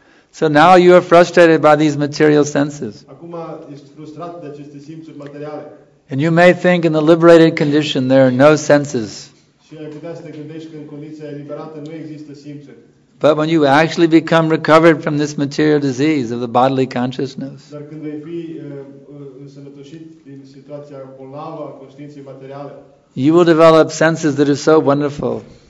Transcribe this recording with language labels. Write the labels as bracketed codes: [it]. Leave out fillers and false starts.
[en] So now you are frustrated by these material senses. [ro] Acum ești frustrat de aceste simțuri materiale. [en] And you may think in the liberated condition there are no senses. [ro] Și ai putea să te gândești că în condiția eliberată nu există simțuri. [en] But when you actually become recovered from this material disease of the bodily consciousness, [ro] dar când vei fi însănătoșit din situația bolnavă a conștiinței materiale, [en] you will develop senses that are so wonderful.